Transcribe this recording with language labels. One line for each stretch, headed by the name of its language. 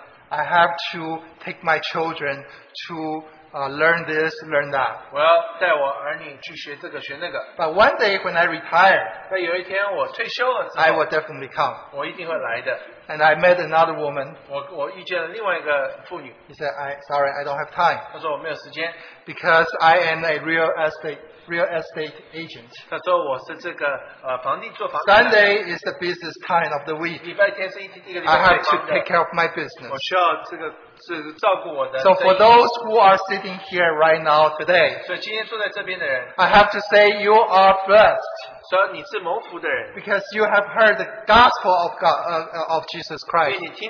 English: I have to take my children to learn this, learn that.
Chinese: 我要带我儿女去学这个,
English: but one day when I retire,
Chinese: 但有一天我退休了之后,
English: I will definitely come.
Chinese: 我一定会来的.
English: And I met another woman.
Chinese: 我遇见了另外一个妇女.
English: He said, sorry, I don't have time.
Chinese: 她说我没有时间.
English: Because I am a real estate agent.
Chinese: 他说我是这个, 房地做房地.
English: Sunday is the business time of the week.
Chinese: 礼拜天是一个礼拜天的。
English: I have to take care of my business.
Chinese: 我需要这个,
English: so for those who are sitting here right now today, I have to say you are blessed. Because you have heard the gospel of God, of Jesus Christ.